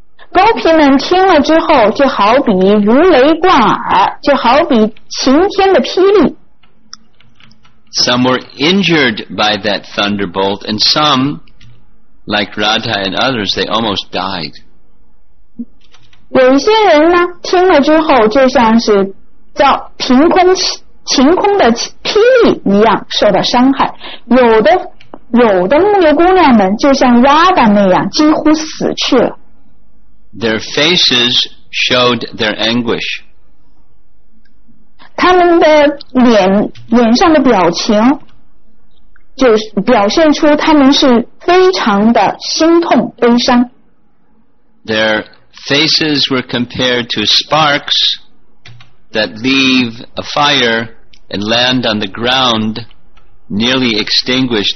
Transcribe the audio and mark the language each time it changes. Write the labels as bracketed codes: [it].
[zh] Gopi 们听了之后就好比如雷贯耳，就好比晴天的霹雳。 [en] Some were injured by that thunderbolt, and some, like Radha and others, they almost died. [zh] 有一些人呢听了之后就像是叫晴空的霹雳一样受到伤害，有的牧牛姑娘们就像 Radha 那样几乎死去了。 [en] their faces showed their anguish. [zh] 他们的脸上的表情就表现出他们是非常的心痛悲伤。 [en] Their faces were compared to sparks that leave a fire and land on the ground nearly extinguished.